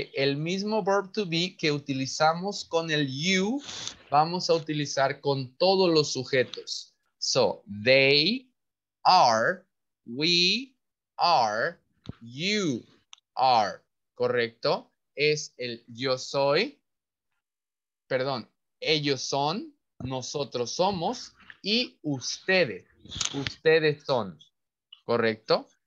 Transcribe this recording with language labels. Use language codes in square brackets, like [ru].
[es] El mismo verb to be que utilizamos con el you, vamos a utilizar con todos los sujetos. [en] So, they are, we are, you are. [es] ¿Correcto? Es el yo soy. Perdón, ellos son, nosotros somos y ustedes son, ¿correcto?